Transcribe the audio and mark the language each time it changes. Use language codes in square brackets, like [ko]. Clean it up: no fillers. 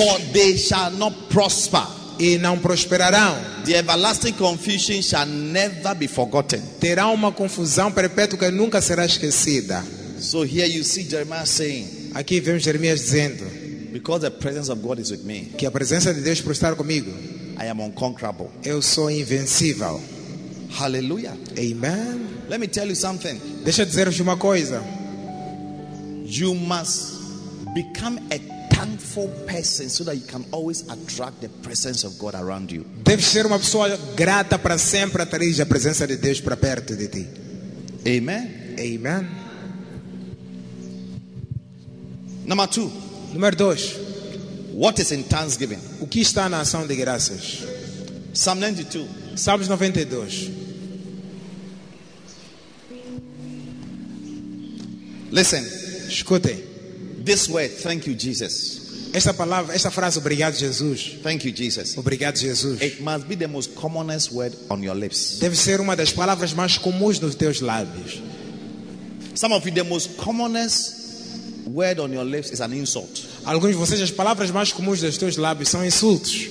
[en] And for they shall not prosper. [pt] E não prosperarão. [en] The everlasting confusion shall never be forgotten. [pt] Terá uma confusão perpétua que nunca será esquecida. [en] So here you see Jeremiah saying, [pt] aqui vemos Jeremias dizendo, [en] because the presence of God is with me, [pt] que a presença de Deus por estar comigo, [en] I am unconquerable. [pt] Eu sou invencível. Hallelujah. Amen. [en] Let me tell you something. [pt] Deixa eu dizer-vos uma coisa. [en] You must become a thankful person so that you can always attract the presence of God around you. [pt] Deve ser uma pessoa grata para sempre atrair a presença de Deus para perto de ti. Amen. Amen. [en] Number two. [pt] Número dois. [en] What is in thanksgiving? [pt] O que está na ação de graças? [en] Psalm 92. [pt] Salmos 92. [en] Listen. [pt] Escute. [en] This word, thank you, Jesus. [pt] Esta palavra, esta frase, obrigado, Jesus. [en] Thank you, Jesus. [pt] Obrigado, Jesus. [en] It must be the most commonest word on your lips. [pt] Deve ser uma das palavras mais comuns nos teus lábios. [en] Some of you, the most commonest word on your lips is an insult. [pt] Alguns de vocês, as palavras mais comuns dos teus lábios são insultos.